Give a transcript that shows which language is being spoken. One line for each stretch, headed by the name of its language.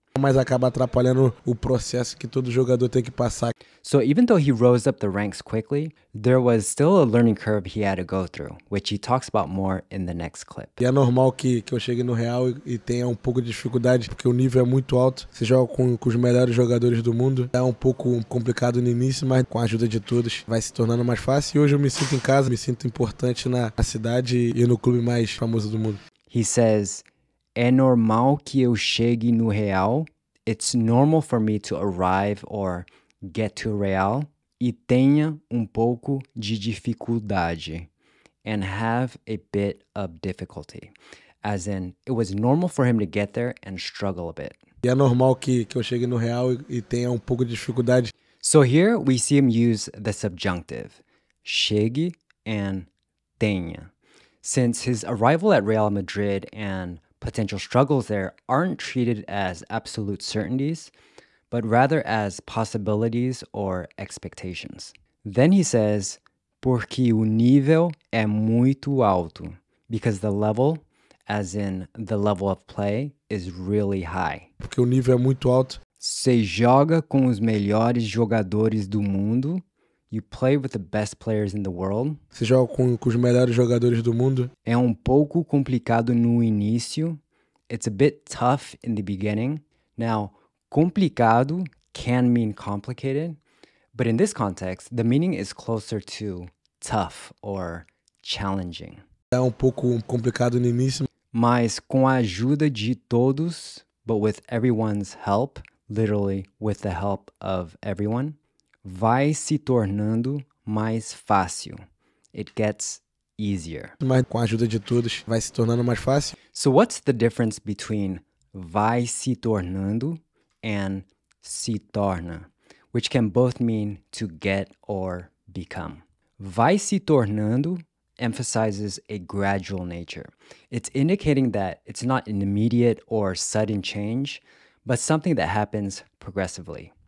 Portuguese: Mas acaba atrapalhando o processo que todo jogador tem que passar.
English: So even though he rose up the ranks quickly, there was still a learning curve he had to go through, which he talks about more in the next clip.
Portuguese: E é normal que eu chegue no Real e tenha um pouco de dificuldade, porque o nível é muito alto. Você joga com os melhores jogadores do mundo. É um pouco complicado no início, mas com a ajuda de todos vai se tornando mais fácil. E hoje eu me sinto em casa, me sinto importante na cidade e no clube mais famoso do mundo.
English: He says,
Portuguese: é normal que eu chegue no Real.
English: It's normal for me to arrive or get to Real
Portuguese: e tenha pouco de dificuldade.
English: And have a bit of difficulty. As in, it was normal for him to get there and struggle a bit.
Portuguese: E é normal que eu chegue no Real e tenha pouco de dificuldade.
English: So here we see him use the subjunctive. Chegue and tenha. Since his arrival at Real Madrid and potential struggles there aren't treated as absolute certainties, but rather as possibilities or expectations. Then he says,
Portuguese: porque o nível é muito alto,
English: because the level, as in the level of play, is really high.
Portuguese: Porque o nível é muito alto. Se joga com os melhores jogadores do mundo.
English: You play with the best players in the world.
Portuguese: Se joga com os melhores jogadores do mundo. É pouco complicado no início.
English: It's a bit tough in the beginning. Now, complicado can mean complicated, but in this context, the meaning is closer to tough or challenging.
Portuguese: É pouco complicado no início. Mas com a ajuda de todos,
English: but with everyone's help, literally with the help of everyone,
Portuguese: vai se tornando mais fácil.
English: It gets easier.
Portuguese: Mas com a ajuda de todos, vai se tornando mais fácil.
English: So what's the difference between vai se tornando and se torna, which can both mean to get or become? Vai se tornando emphasizes a gradual nature. It's indicating that it's not an immediate or sudden change, but something that happens progressively.